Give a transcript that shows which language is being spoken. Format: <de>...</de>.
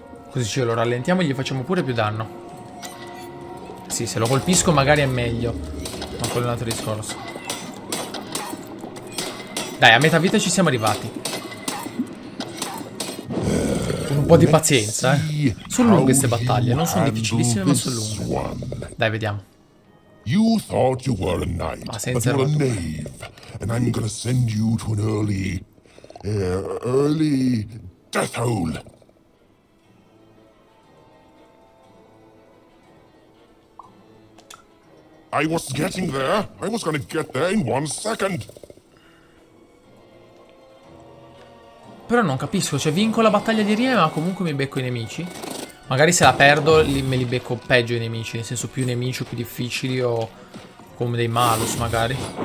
<it>Così ce lo rallentiamo e gli facciamo pure più danno. Sì, se lo colpisco magari è meglio. Ma quello è un altro discorso. Dai, a metà vita ci siamo arrivati. po' di pazienza, eh. Sono lunghe queste battaglie, non sono difficilissime, ma sono lunghe. Dai, vediamo.</it> <en>You thought you were a knight, but you're a knave, and I'm gonna send you to an early, early death hole. I was getting there. I was gonna get there in one second.</en> <it>Però non capisco, cioè vinco la battaglia di Rime, ma comunque mi becco i nemici. Magari se la perdo me li becco peggio i nemici, nel senso più nemici o più difficili o come dei malus magari.</it>